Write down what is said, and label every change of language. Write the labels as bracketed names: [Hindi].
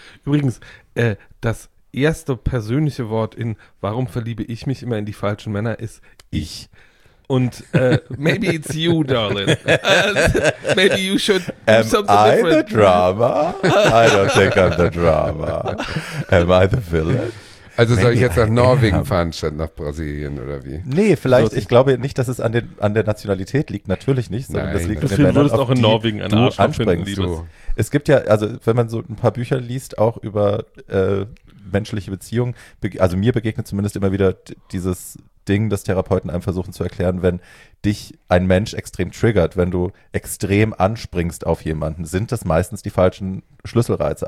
[German] Übrigens, das erste persönliche Wort in warum verliebe ich mich immer in die falschen Männer ist ich. [English] Und maybe it's you, darling. Maybe you should do something different. Am I the drama? I don't think I'm the drama. Am I the villain? [German] Also soll ich jetzt nach Norwegen fahren, statt nach Brasilien oder wie? Nee, vielleicht, ich glaube nicht, dass es an der Nationalität liegt, natürlich nicht. Sondern nein, das liegt deswegen würdest Ländern, auch in Norwegen einen Arsch anspringen, Liebes. Es gibt ja, also wenn man so ein paar Bücher liest, auch über menschliche Beziehungen, also mir begegnet zumindest immer wieder dieses Ding, das Therapeuten einem versuchen zu erklären, wenn dich ein Mensch extrem triggert, wenn du extrem anspringst auf jemanden, sind das meistens die falschen Schlüsselreize.